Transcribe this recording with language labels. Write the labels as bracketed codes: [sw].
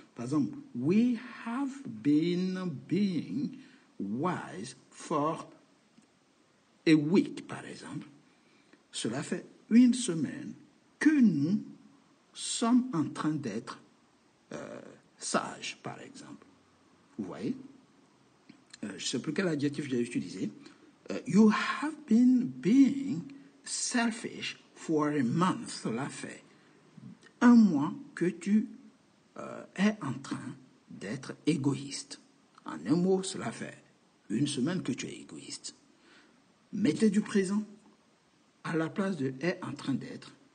[fr] Par exemple, [en] we have been being wise for a week, [fr] par exemple. Cela fait 1 semaine que nous sommes en train d'être sages, par exemple. Vous voyez? Je ne sais plus quel adjectif j'ai utilisé. [en] You have been being selfish for a month. [fr] Cela fait 1 mois que tu est en train d'être égoïste. En un mot, cela fait 1 semaine que tu es égoïste. Mettez du présent à la place de est en train d'être.